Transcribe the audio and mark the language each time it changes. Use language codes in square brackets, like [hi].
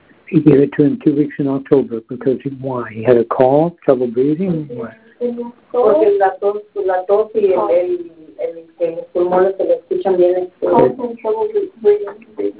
[en] He gave it to him 2 weeks in October, because why? He had a cough, trouble breathing, or what? [es] Porque la tos y el que los pulmones se le escuchan bien. [en] Cough and trouble breathing.